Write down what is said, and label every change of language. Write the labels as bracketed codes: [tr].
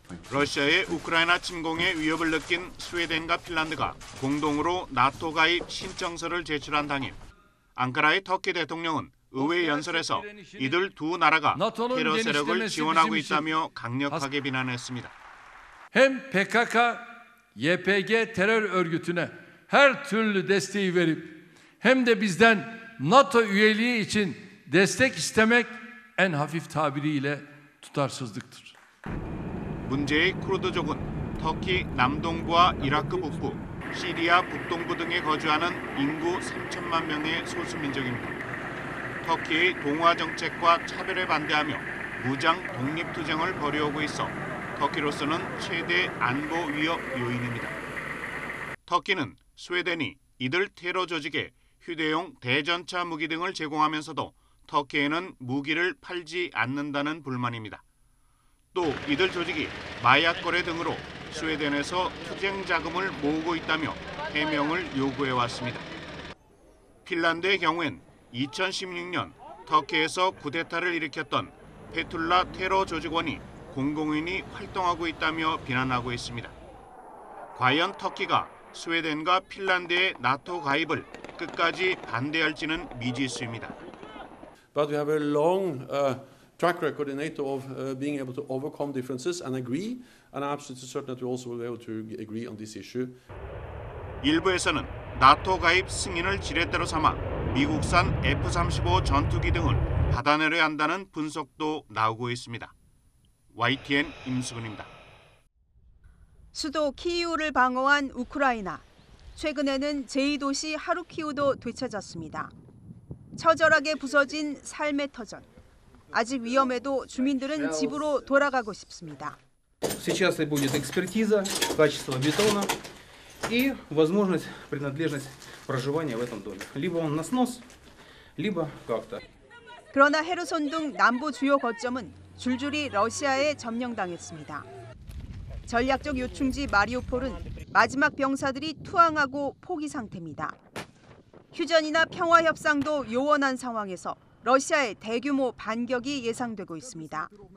[ko] 러시아의 우크라이나 침공에 위협을 느낀 스웨덴과 핀란드가 공동으로 나토 가입 신청서를 제출한 당일 앙카라의 터키 대통령은 의회 연설에서 이들 두 나라가 테러 세력을 지원하고 있다며 강력하게 비난했습니다. [tr] Hem PKK, YPG 테러 örgütüne her türlü desteği verip hem de bizden NATO üyeliği için destek istemek en hafif tabiriyle tutarsızlıktır. [ko] 문제의 쿠르드족은 터키 남동부와 이라크 북부, 시리아 북동부 등에 거주하는 인구 3천만 명의 소수민족입니다. 터키의 동화 정책과 차별에 반대하며 무장 독립투쟁을 벌여오고 있어 터키로서는 최대 안보 위협 요인입니다. 터키는 스웨덴이 이들 테러 조직에 휴대용 대전차 무기 등을 제공하면서도 터키에는 무기를 팔지 않는다는 불만입니다. 또 이들 조직이 마약 거래 등으로 스웨덴에서 투쟁 자금을 모으고 있다며 해명을 요구해 왔습니다. 핀란드의 경우엔 2016년 터키에서 쿠데타를 일으켰던 페툴라 테러 조직원이 공공인이 활동하고 있다며 비난하고 있습니다. 과연 터키가 스웨덴과 핀란드의 나토 가입을 끝까지 반대할지는 미지수입니다. [en] But we have a long track record in NATO of being able to overcome differences and agree, and I'm absolutely certain that we also will be able to agree on this issue. [ko] 일부에서는 나토 가입 승인을 지렛대로 삼아 미국산 F-35 전투기 등을 받아내려야 한다는 분석도 나오고 있습니다. YTN 임수근입니다. 수도 키이우를 방어한 우크라이나. 최근에는 제2도시 하르키우도 되찾았습니다. 처절하게 부서진 삶의 터전. 아직 위험해도 주민들은 집으로 돌아가고 싶습니다. [ru] Сейчас будет экспертиза качества бетона и возможность принадлежность проживания в этом доме. Либо он на снос, либо как-то. [ko] 그러나 헤르손 등 남부 주요 거점은 줄줄이 러시아에 점령당했습니다. 전략적 요충지 마리우폴은 마지막 병사들이 투항하고 포기 상태입니다. 휴전이나 평화 협상도 요원한 상황에서 러시아의 대규모 반격이 예상되고 있습니다.